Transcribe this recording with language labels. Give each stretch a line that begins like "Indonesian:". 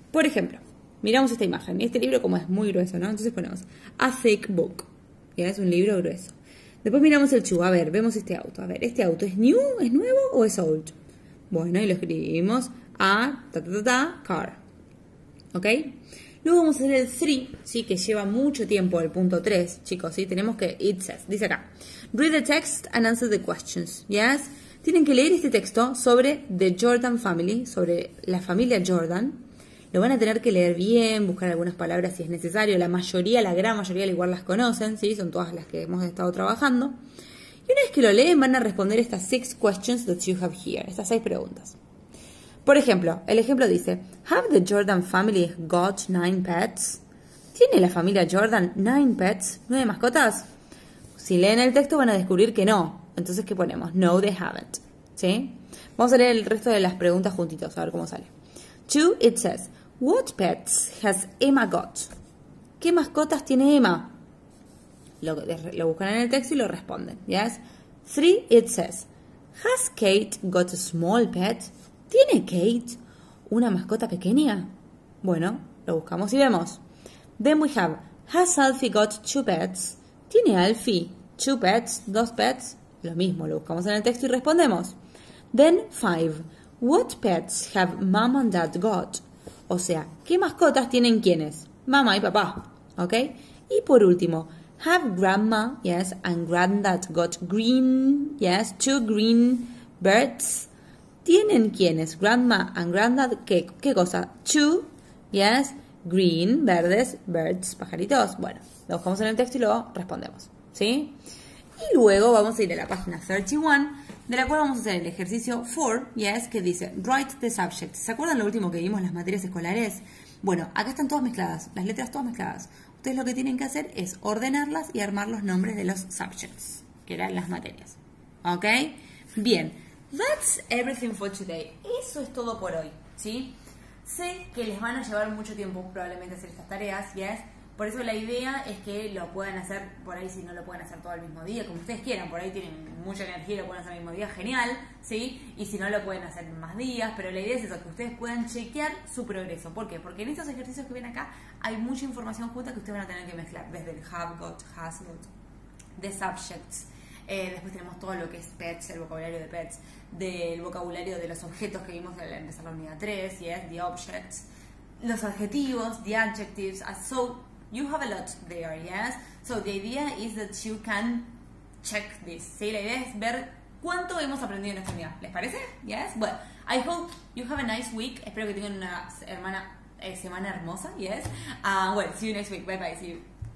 Spanish: Por ejemplo, miramos esta imagen. Este libro como es muy grueso, ¿no? Entonces ponemos
English: a thick book.
Spanish: ¿Ya? Es un libro grueso. Después miramos el chu. A ver, vemos este auto. A ver, ¿este auto es new, es nuevo o es old? Bueno, y lo escribimos a ta ta ta ta car. ¿Ok? Luego vamos a hacer el 3, ¿sí? Que lleva mucho tiempo el punto 3, chicos, ¿sí? Tenemos que, it says, dice acá,
English: read the text and answer the questions. ¿Yes?
Spanish: Tienen que leer este texto sobre The Jordan Family, sobre la familia Jordan. Lo van a tener que leer bien, buscar algunas palabras si es necesario. La mayoría, la gran mayoría, igual las conocen, ¿sí? Son todas las que hemos estado trabajando. Y una vez que lo leen, van a responder estas 6
English: questions that you have here,
Spanish: estas 6 preguntas. Por ejemplo, el ejemplo dice,
English: ¿Have the Jordan Family got 9 pets?
Spanish: ¿Tiene la familia Jordan 9 pets? ¿9 mascotas? Si leen el texto, van a descubrir que no. Entonces, ¿qué ponemos?
English: No, they haven't.
Spanish: ¿Sí? Vamos a leer el resto de las preguntas juntitos, a ver cómo sale.
English: 2, it says, what pets has Emma got?
Spanish: ¿Qué mascotas tiene Emma? Lo buscan en el texto y lo responden.
English: ¿Yes? 3, it says, has Kate got a small pet?
Spanish: ¿Tiene Kate una mascota pequeña? Bueno, lo buscamos y vemos.
English: Then we have, has Alfie got 2 pets?
Spanish: ¿Tiene Alfie 2 pets, 2 pets? Lo mismo, lo buscamos en el texto y respondemos.
English: Then, 5. What pets have mom and dad got?
Spanish: O sea, ¿qué mascotas tienen quiénes? Mamá y papá,
English: ¿ok?
Spanish: Y por último,
English: have grandma, yes, and granddad got green, yes, 2 green birds?
Spanish: ¿Tienen quiénes?
English: Grandma and granddad,
Spanish: ¿qué cosa?
English: 2, yes, green, verdes, birds, pajaritos.
Spanish: Bueno, lo buscamos en el texto y luego respondemos, ¿sí? Y luego vamos a ir a la página 31, de la cual vamos a hacer el ejercicio 4, yes, que dice,
English: write the subject.
Spanish: ¿Se acuerdan lo último que vimos, las materias escolares? Bueno, acá están todas mezcladas, las letras todas mezcladas. Ustedes lo que tienen que hacer es ordenarlas y armar los nombres de los subjects, que eran las materias. ¿Ok?
English: Bien, that's everything for today.
Spanish: Eso es todo por hoy, ¿sí? Sé que les van a llevar mucho tiempo probablemente hacer estas tareas, yes, Por eso la idea es que lo puedan hacer, por ahí si no lo pueden hacer todo el mismo día, como ustedes quieran, por ahí tienen mucha energía y lo pueden hacer el mismo día, genial, ¿sí? Y si no lo pueden hacer más días, pero la idea es eso, que ustedes puedan chequear su progreso. ¿Por qué? Porque en estos ejercicios que vienen acá hay mucha información junta que ustedes van a tener que mezclar, desde el have got, has got, the subjects. Después tenemos todo lo que es pets, el vocabulario de pets, del vocabulario de los objetos que vimos al empezar la unidad 3, yes, the objects, los adjetivos, the adjectives,
English: so you have a lot there,
Spanish: yes.
English: So the idea is that you can check this, ¿sí?
Spanish: La idea es ver cuánto hemos aprendido en esta unidad, ¿les parece?
English: Yes, well, I hope you have a nice week,
Spanish: espero que tengan una semana hermosa,
English: yes. Well, see you next week, bye bye, see you.